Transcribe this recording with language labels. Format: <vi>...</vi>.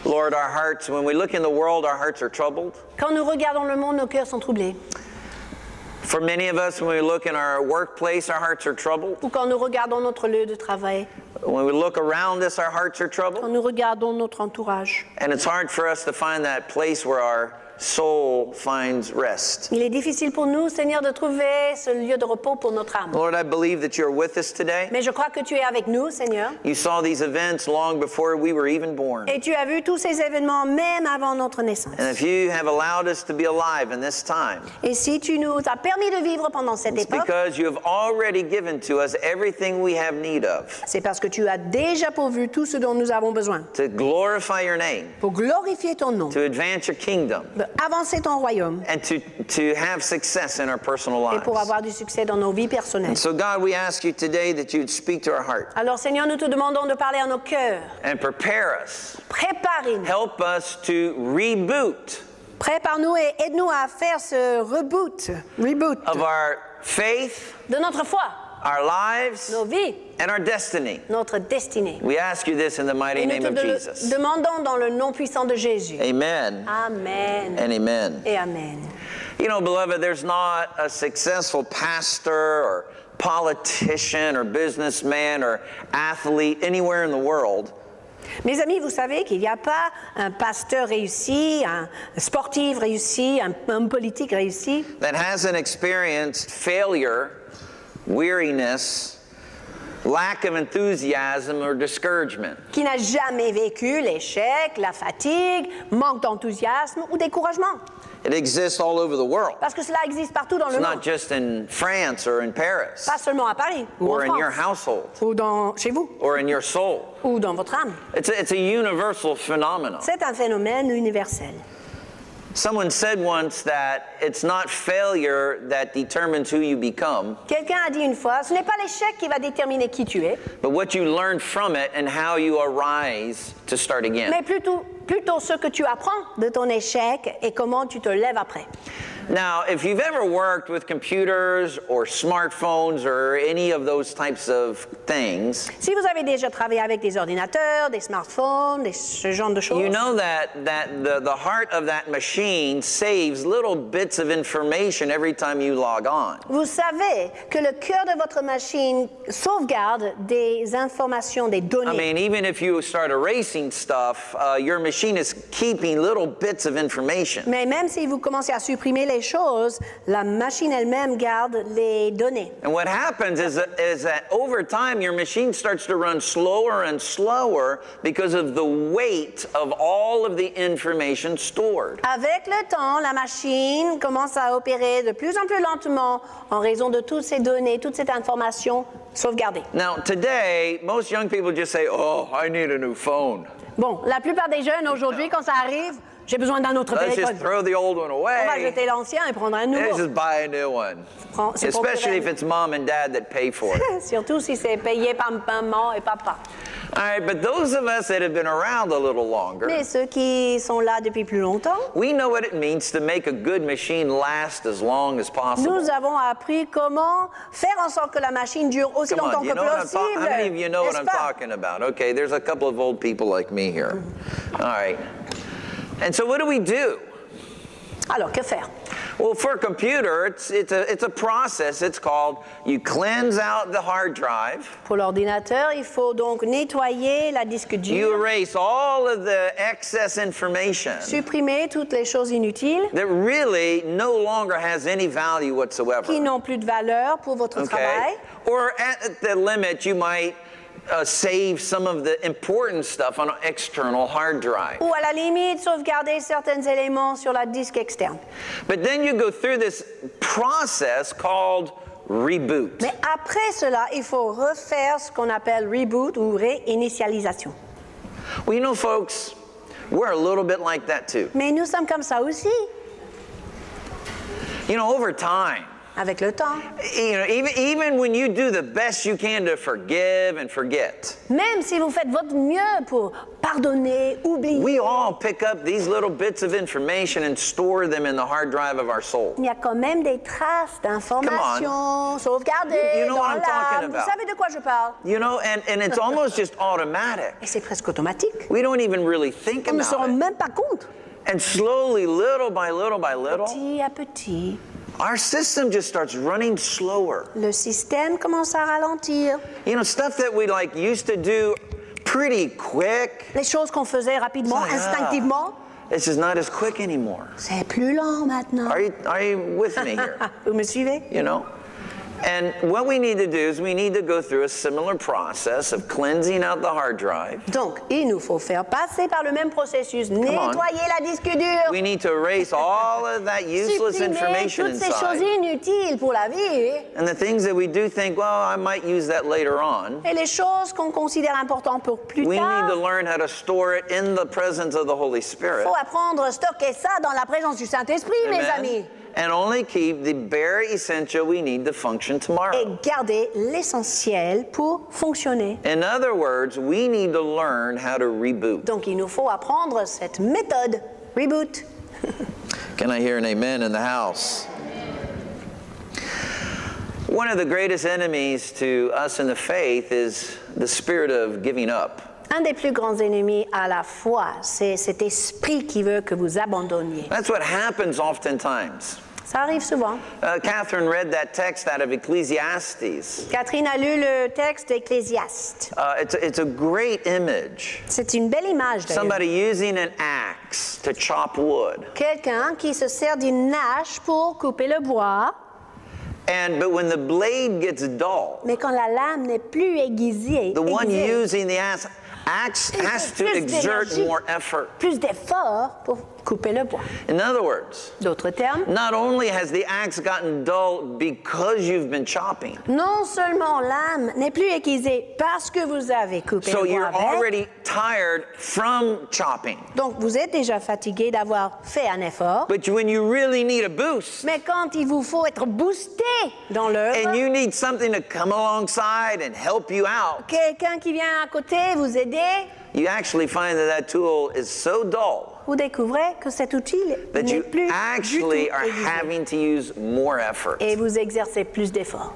<en>Lord, our hearts, when we look in the world, our hearts are troubled.</en> <fr>Quand nous regardons le monde, nos cœurs sont troublés.</fr> <en>For many of us, when we look in our workplace, our hearts are troubled.</en> <fr>Ou quand nous regardons notre lieu de travail.</fr> <en>When we look around us, our hearts are troubled.</en> <fr>Quand nous regardons notre entourage.</fr> <en>And it's hard for us to find that place where our soul finds rest.</en> <fr>Il est difficile pour nous, Seigneur, de trouver ce lieu de repos pour notre âme.</fr> <en>Lord, I believe that you are with us today.</en> <fr>Mais je crois que tu es avec nous, Seigneur.</fr> <en>You saw these events long before we were even born.</en> <fr>Et tu as vu tous ces événements même avant notre naissance.</fr> <en>And if you have allowed us to be alive in this time.</en> <fr>Et si tu nous as permis de vivre pendant cette époque.</fr> <en>It's because you have already given to us everything we have need of.</en> <fr>C'est parce que tu as déjà pourvu tout ce dont nous avons besoin.</fr> <en>To glorify your name.</en> <fr>Pour glorifier ton nom.</fr> <en>To advance your kingdom.</en> <fr>Avancer ton royaume.</fr> <en>And to have success in our personal lives.</en> <fr>Et pour avoir du succès dans nos vies personnelles.</fr> <en>And so God, we ask you today that you'd speak to our heart.</en> <fr>Alors Seigneur, nous te demandons de parler à nos cœurs.</fr> <en>And prepare us.</en> <fr>Prépare-nous.</fr> <en>Help us to reboot.</en> <fr>Prépare-nous et aide-nous à faire ce reboot.</fr> <en>Reboot. Of our faith.</en> <fr>De notre foi.</fr> <en>Our lives.</en> <fr>Nos vies.</fr> <en>And our destiny.</en> <fr>Notre destinée.</fr> <en>We ask you this in the mighty name of Jesus.</en> <fr>Demandons dans le nom puissant de Jésus.</fr> <en>Amen.</en> <fr>Amen.</fr> <en>And amen.</en> <fr>Et amen.</fr> <en>You know, beloved, there's not a successful pastor or politician or businessman or athlete anywhere in the world.</en> <fr>Mes amis, vous savez qu'il n'y a pas un pasteur réussi, un sportif réussi, un politique réussi.</fr> <en>That hasn't experienced failure, weariness, lack of enthusiasm or discouragement.</en> <fr>Qui n'a jamais vécu l'échec, la fatigue, manque d'enthousiasme ou découragement.</fr> <en>It exists all over the world.</en> <fr>Parce que cela existe partout dans</fr> <en>it's</en> <fr>le</fr> <en>not</en> <fr>monde.</fr> <en>Just in France or in Paris.</en> <fr>Pas seulement à Paris,</fr> <en>or</en> <fr>en France,</fr> <en>in your household.</en> <fr>Ou dans, chez vous.</fr> <en>Or in your soul.</en> <fr>Ou dans votre âme.</fr> <en>It's a universal phenomenon.</en> <fr>C'est un phénomène universel.</fr> <en>Someone said once that it's not failure that determines who you become.</en> <fr>Quelqu'un a dit une fois, ce n'est pas l'échec qui va déterminer qui tu es.</fr> <en>But what you learn from it and how you arise to start again.</en> <fr>Mais plutôt ce que tu apprends de ton échec et comment tu te lèves après.</fr> <en>Now, if you've ever worked with computers or smartphones or any of those types of things,</en> <fr>si vous avez déjà travaillé avec des ordinateurs, des smartphones, ce genre de choses,</fr> <en>you know that the heart of that machine saves little bits of information every time you log on.</en> <fr>Vous savez que le cœur de votre machine sauvegarde des informations, des données.</fr> <en>I mean, even if you start erasing stuff, your machine is keeping little bits of information.</en> <fr>Mais même si vous commencez à supprimer les choses, la machine elle-même garde les données.</fr> <en>And what happens is that over time your machine starts to run slower and slower because of the weight of all of the information stored.</en> <fr>Avec le temps, la machine commence à opérer de plus en plus lentement en raison de toutes ces données, toute cette information sauvegardée.</fr> <en>Now today, most young people just say, "Oh, I need a new phone."</en> <fr>Bon, la plupart des jeunes aujourd'hui, quand ça arrive, j'ai besoin d'un autre téléphone.</fr> <en>Let's just throw the old one away.</en> <fr>On va jeter l'ancien et prendre un nouveau.</fr> <en>Let's just buy a new one. Especially if it's mom and dad that pay for it.</en> <fr>Surtout si c'est payé par maman et papa.</fr> <en>All right, but those of us that have been around a little longer,</en> <fr>mais ceux qui sont là depuis plus longtemps,</fr> <en>we know what it means to make a good machine last as long as possible.</en> <fr>Nous avons appris comment faire en sorte que la machine dure aussi</fr> <en>Come</en> <fr>longtemps</fr> <en>on, you</en> <fr>que</fr> <en>know</en> <fr>possible.</fr> <en>How many of you know what I'm talking about? Okay, there's a couple of old people like me here. All right. And so what do we do?</en> <fr>Alors, que faire?</fr> <en>Well, for a computer, it's a process. It's called, you cleanse out the hard drive.</en> <fr>Pour l'ordinateur, il faut donc nettoyer la disque dure.</fr> <en>You erase all of the excess information.</en> <fr>Supprimer toutes les choses inutiles.</fr> <en>That really no longer has any value whatsoever.</en> <fr>Qui n'ont plus de valeur pour votre travail.</fr> <en>Or at the limit, you might save some of the important stuff on an external hard drive.</en> <fr>Ou à la limite, sauvegarder certains éléments sur la disque externe.</fr> <en>But then you go through this process called reboot.</en> <fr>Mais après cela, il faut refaire ce qu'on appelle reboot ou réinitialisation.</fr> <en>Well, you know, folks, we're a little bit like that too.</en> <fr>Mais nous sommes comme ça aussi.</fr> <en>You know, over time,</en> <fr>avec le temps,</fr> <en>you know, even when you do the best you can to forgive and forget,</en> <fr>même si vous faites votre mieux pour pardonner, oublier,</fr> <en>we all pick up these little bits of information and store them in the hard drive of our soul.</en> <fr>Il y a quand même des traces d'informations sauvegardées</fr> <en>you know</en> <fr>dans</fr> <en>what I'm</en> <fr>l'âme.</fr> <en>Talking about.</en> <fr>Vous savez de quoi je parle.</fr> <en>You know, and it's almost just automatic.</en> <fr>Et c'est presque automatique.</fr> <en>We don't even really think</en> <fr>on On ne se rend même pas compte.</fr> <en>And slowly, little by little by little,</en> <fr>petit à petit,</fr> <en>our system just starts running slower.</en> <fr>Le système commence à ralentir.</fr> <en>You know, stuff that we like used to do pretty quick.</en> <fr>Les choses qu'on faisait rapidement,</fr> <en>like,</en> <fr>instinctivement.</fr> <en>This is not as quick anymore.</en> <fr>C'est plus lent maintenant.</fr> <en>Are you with me here?</en> <fr>Vous me suivez?</fr> <en>You know. And what we need to do is we need to go through a similar process of cleansing out the hard drive.</en> <fr>Donc, il nous faut faire passer par le même processus, nettoyer la disque dure.</fr> <en>We need to erase all of that useless information inside.</en> <fr>Supprimer toutes ces choses inutiles pour la vie.</fr> <en>And the things that we do think, well, I might use that later on.</en> <fr>Et les choses qu'on considère importantes pour plus tard.</fr> <en>We need to learn how to store it in the presence of the Holy Spirit.</en> <fr>Faut apprendre à stocker ça dans la présence du Saint-Esprit,</fr> <en>Amen.</en> <fr>Mes amis.</fr> <en>And only keep the bare essential we need to function tomorrow.</en> <fr>Et garder l'essentiel pour fonctionner.</fr> <en>In other words, we need to learn how to reboot.</en> <fr>Donc il nous faut apprendre cette méthode, reboot.</fr> <en>Can I hear an amen in the house? One of the greatest enemies to us in the faith is the spirit of giving up.</en> <fr>Un des plus grands ennemis à la foi, c'est cet esprit qui veut que vous abandonniez.</fr> <en>That's what happens oftentimes.</en> <fr>Ça arrive souvent.</fr> <en>Kathryn read that text out of Ecclesiastes.</en> <fr>Catherine a lu le texte d'Ecclésiaste.</fr> <en>It's a great image.</en> <fr>C'est une belle image d'ailleurs.</fr> <en>Somebody using an axe to chop wood.</en> <fr>Quelqu'un qui se sert d'une hache pour couper le bois.</fr> <en>But when the blade gets dull,</en> <fr>mais quand la lame n'est plus aiguisée,</fr> <en>the one using the axe has to exert more effort.</en> <fr>Plus d'effort pour couper le bois.</fr> <en>In other words,</en> <fr>d'autres termes,</fr> <en>not only has the axe gotten dull because you've been chopping,</en> <fr>non seulement l'âme n'est plus aiguisée parce que vous avez coupé le bois.</fr> <en>So you're already tired from chopping.</en> <fr>Donc vous êtes déjà fatigué d'avoir fait un effort.</fr> <en>But when you really need a boost,</en> <fr>mais quand il vous faut être boosté dans l'œuvre,</fr> <en>and you need something to come alongside and help you out,</en> <fr>quelqu'un qui vient à côté vous aider,</fr> <en>you actually find that that tool is so dull.</en> <fr>Vous découvrez que cet outil n'est plus</fr> <en>actually are having to use more effort.</en> <fr>Et vous exercez plus d'efforts.</fr>